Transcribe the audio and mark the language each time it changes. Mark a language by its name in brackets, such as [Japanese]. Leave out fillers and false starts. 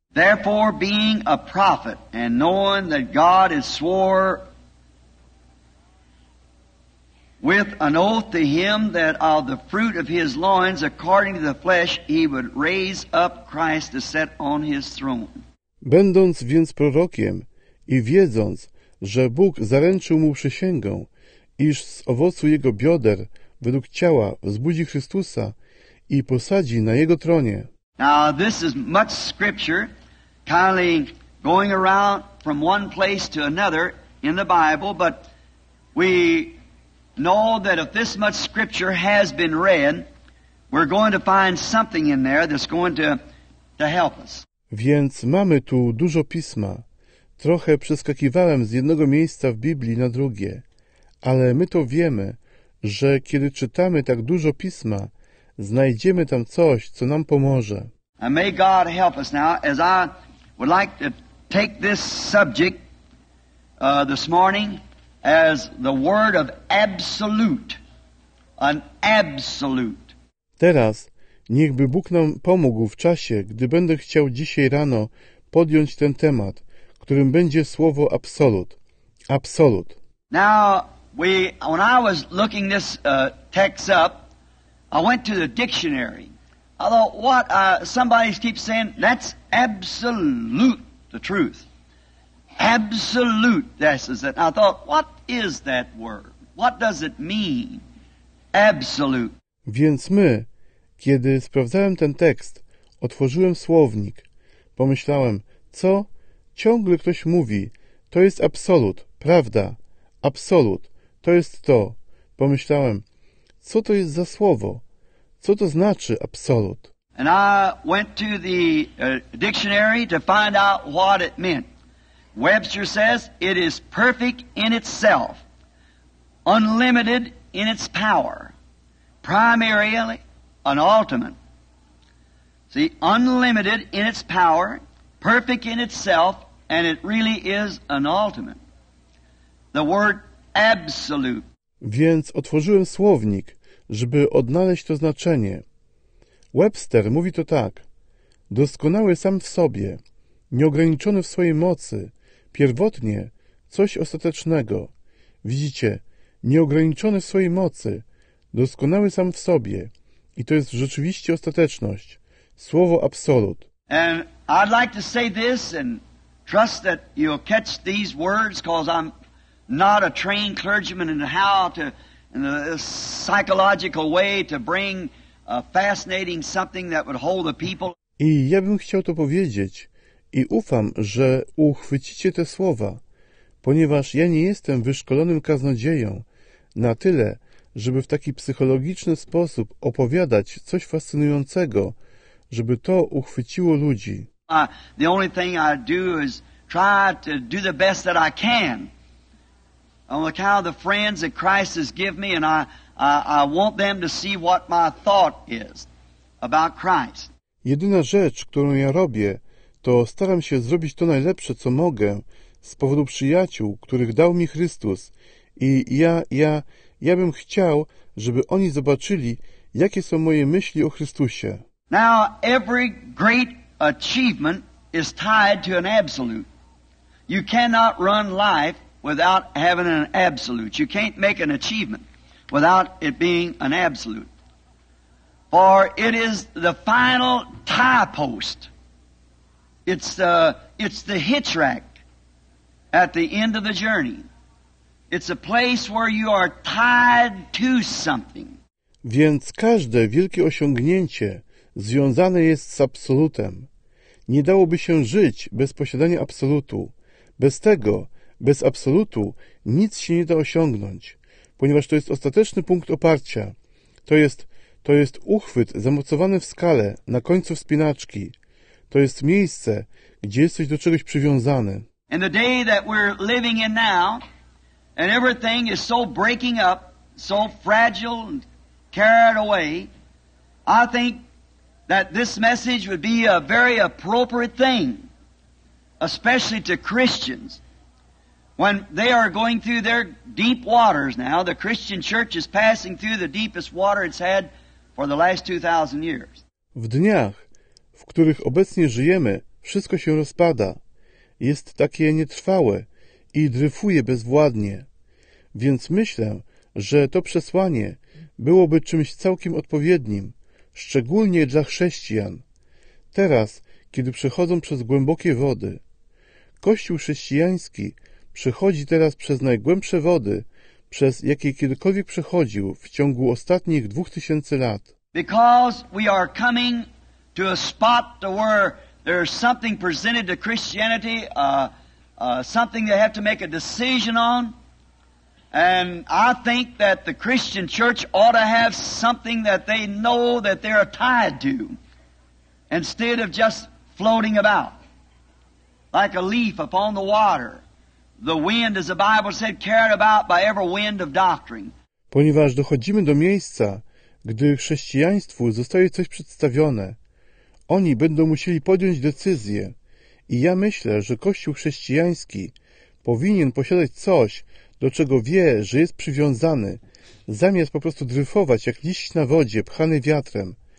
[English] Therefore, being a prophet, and knowing that God has swore with an oath to him that of the fruit of his loins, according to the flesh, he would raise up Christ to set on his throne. [Polish] Będąc więc prorokiem i wiedząc, że Bóg zaręczył mu przysięgą, iż z owocu jego bioder, według ciała, wzbudzi Chrystusa i posadzi na jego tronie. [English] Now this is much scripture, kindly going around from one place to another in the Bible, but we know that if this much scripture has been read, we're going to find something in there that's going to help us. [Polish] Więc mamy tu dużo pisma. Trochę przeskakiwałem z jednego miejsca w Biblii na drugie, ale my to wiemy, że kiedy czytamy tak dużo pisma, znajdziemy tam coś, co nam pomoże. [English] And may God help us now, as I would like to take this subject this morning as the word of absolute, an absolute. [Polish] Teraz Niechby Bóg nam pomógł w czasie, gdy będę chciał dzisiaj rano podjąć ten temat, którym będzie słowo absolut. Absolut. [English] Now, when I was looking this text up, I went to the dictionary. I thought, what? Somebody keeps saying, that's absolute, the truth. Absolute, this is it. I thought, what is that word? What does it mean? Absolute. [Polish] Więc my, kiedy sprawdzałem ten tekst, otworzyłem słownik. Pomyślałem, co? Ciągle ktoś mówi, to jest absolut, prawda, absolut, to jest to. Pomyślałem, co to jest za słowo? Co to znaczy absolut? [English] And I went to the dictionary to find out what it meant. Webster says, it is perfect in itself, unlimited in its power, primarily an ultimate. See, unlimited in its power, perfect in itself, and it really is an ultimate. The word absolute. [Polish] Więc otworzyłem słownik, żeby odnaleźć to znaczenie. Webster mówi to tak. Doskonały sam w sobie, nieograniczony w swojej mocy, pierwotnie coś ostatecznego. Widzicie, nieograniczony w swojej mocy, doskonały sam w sobie. I to jest rzeczywiście ostateczność. Słowo absolut. [English] And I'd like to say this and trust that you'll catch these words, because I'm not a trained clergyman in how to, in a psychological way to bring a fascinating something that would hold the people. [Polish] I ja bym chciał to powiedzieć i ufam, że uchwycicie te słowa, ponieważ ja nie jestem wyszkolonym kaznodzieją na tyle, żeby w taki psychologiczny sposób opowiadać coś fascynującego, żeby to uchwyciło ludzi. [English] The only thing I do is try to do the best that I can. On account of the friends that Christ has given me, and I want them to see what my thought is about Christ. [Polish] Jedyna rzecz, którą ja robię, to staram się zrobić to najlepsze, co mogę, z powodu przyjaciół, których dał mi Chrystus. I ja bym chciał, żeby oni zobaczyli, jakie są moje myśli o Chrystusie. [English] Now, every great achievement is tied to an absolute. You cannot run life without having an absolute. You can't make an achievement without it being an absolute. For it is the final tie post. It's the hitch rack at the end of the journey. It's a place where you are tied to something. [Polish] Więc każde wielkie osiągnięcie związane jest z absolutem. Nie dałoby się żyć bez posiadania absolutu. Bez tego, bez absolutu, nic się nie da osiągnąć, ponieważ to jest ostateczny punkt oparcia. To jest uchwyt zamocowany w skale na końcu wspinaczki. To jest miejsce, gdzie jesteś do czegoś przywiązany. [English] And the day that we're living in now, and everything is so breaking up, so fragile and carried away, I think that this message would be a very appropriate thing, especially to Christians. When they are going through their deep waters now, the Christian church is passing through the deepest water it's had for the last 2,000 years. [Polish] W dniach, w których obecnie żyjemy, wszystko się rozpada. Jest takie nietrwałe i dryfuje bezwładnie. Więc myślę, że to przesłanie byłoby czymś całkiem odpowiednim, szczególnie dla chrześcijan. Teraz, kiedy przechodzą przez głębokie wody, Kościół chrześcijański przechodzi teraz przez najgłębsze wody, przez jakie kiedykolwiek przechodził w ciągu ostatnich 2000 lat. [English] Because we are coming to a spot to where there is something presented to Christianity, something they have to make a decision on. And I think that the Christian church ought to have something that they know that they are tied to, instead of just floating about like a leaf upon the water. The wind, as the Bible said, carried about by every wind of doctrine. [Polish] Ponieważ dochodzimy do miejsca, gdy chrześcijaństwu zostaje coś przedstawione, oni będą musieli podjąć decyzję. I ja myślę, że Kościół chrześcijański powinien posiadać coś, do czego wie, że jest przywiązany, zamiast po prostu dryfować jak liść na wodzie, pchany wiatrem.